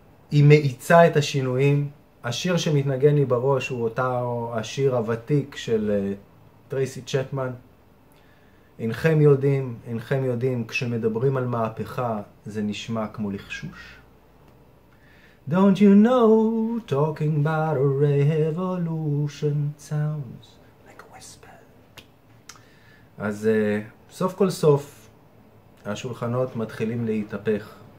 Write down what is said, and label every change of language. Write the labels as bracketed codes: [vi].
[he] היא מאיצה את השינויים. השיר שמתנגן לי בראש הוא אותו השיר הוותיק של טרייסי צ'פמן. אינכם יודעים, אינכם יודעים, כשמדברים על מהפכה זה נשמע כמו לחשוש. [en] Don't you know, talking about a revolution sounds like a whisper. [he] אז סוף כל סוף, השולחנות מתחילים להתהפך.